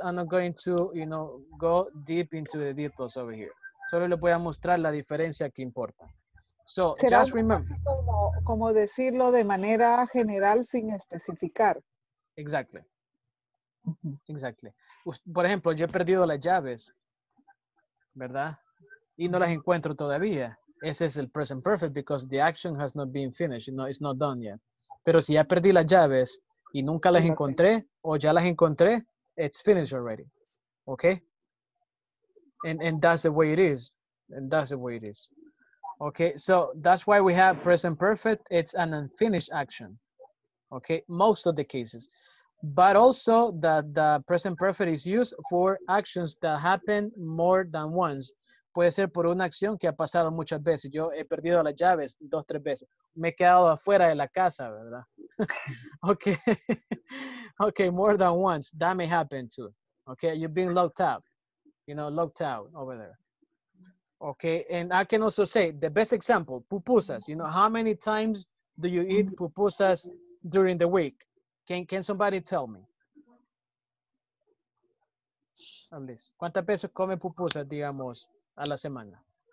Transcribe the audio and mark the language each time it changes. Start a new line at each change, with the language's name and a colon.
English: I'm not going to, you know, go deep into the details over here.
Spanish: Solo le voy a mostrar la diferencia que importa.
English: So, just remember.
Spanish: Como decirlo de manera general sin especificar.
English: Exactly. Exactly.
Spanish: Por ejemplo, yo he perdido las llaves, ¿verdad? Y no las encuentro todavía. Ese es el
English: present perfect because the action has not been finished. You know, it's not done yet.
Spanish: Pero si ya perdí las llaves y nunca las encontré o ya las encontré,
English: it's finished already. Okay? And that's the way it is. And that's the way it is. Okay, so that's why we have present perfect. It's an unfinished action. Okay, most of the cases. But also that the present perfect is used for actions that happen more than once.
Spanish: Puede ser por una acción que ha pasado muchas veces. Yo he perdido las llaves 2-3 veces. Me he quedado afuera de la casa, ¿verdad?
English: Okay. Okay, more than once. That may happen too. Okay, you've been locked out. You know, locked out over there. Okay, and I can also say the best example, pupusas. You know, how many times do you eat pupusas during the week? Can somebody tell me? At least.
Spanish: ¿Cuántas veces come pupusas, digamos, a la semana?